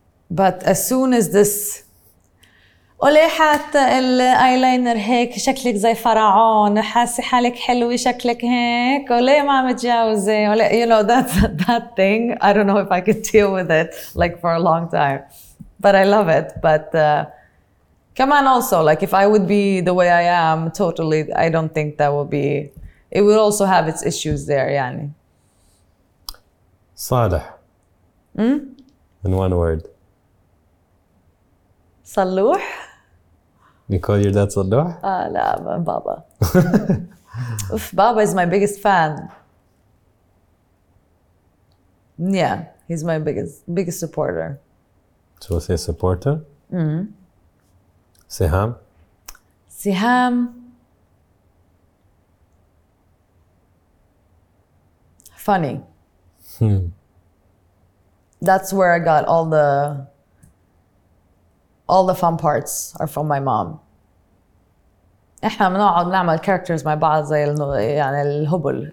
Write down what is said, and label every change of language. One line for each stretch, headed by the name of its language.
English: But as soon as this,
Arabic: ولي حتى الأيلينر هيك شكلك زي فرعون حاسة حالك حلوة شكلك هيك ولي ما متجوزة ولي
English: you know that thing. I don't know if I could deal with it like for a long time, but I love it. But come on, also, like, if I would be the way I am, totally, I don't think that would be... It would also have its issues there, yani. Salih. In one word. Salouh? You call your dad Salouh? No, Baba. Baba is my biggest fan. Yeah, he's my biggest supporter. So we'll say supporter? Seham? Siham, funny. That's where I got all the fun parts are from my mom.
Arabic: إحنا منوعد نعمل characters مع بعض زي يعني الهبل.